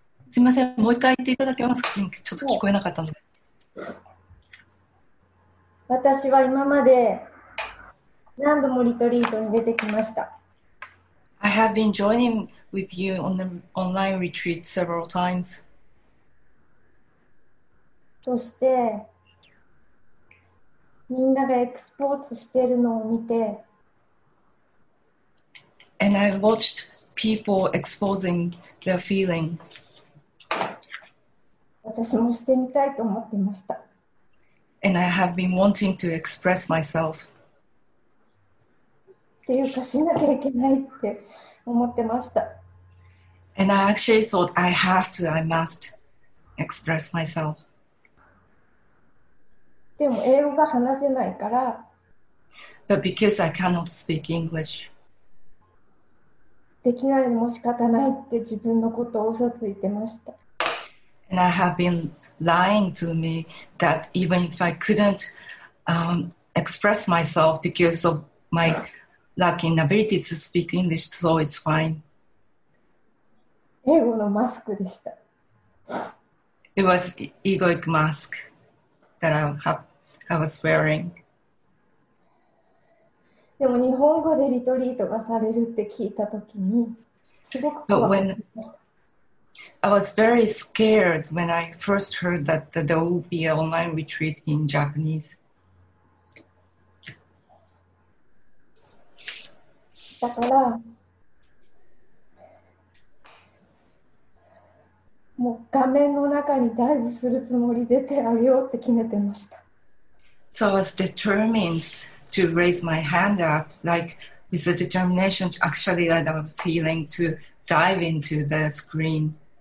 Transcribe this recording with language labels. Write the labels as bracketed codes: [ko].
[ja] すいません、もう一回言っていただけますか？ちょっと聞こえなかったので。私は今まで何度もリトリートに出てきました。 [en] I have been joining with you on the online retreat several times. [ja] そして、みんながエクスポーツしてるのを見て [en] And I watched people exposing their feeling. [ja] 私もしてみたいと思ってました [en] And I have been wanting to express myself. [ja] っていうかしなきゃいけないって思ってました [en] And I actually thought I have to, I must. express myself. But because I cannot speak English, and I have been lying to me that even if I couldn't express myself because of my lacking ability to speak English, so it's fine. [ja] 英語のマスクでした。 [en] It was egoic mask that I was wearing. [ja] でも日本語でリトリートがされるって聞いたときにすごく怖かった。 [en] But when I was very scared when I first heard that there would be an online retreat in Japanese. [ja] だからもう画面の中にダイブするつもりで手を挙げようって決めてました。 [en] So I was determined to raise my hand up, like with the determination to actually let a feeling to dive into the screen.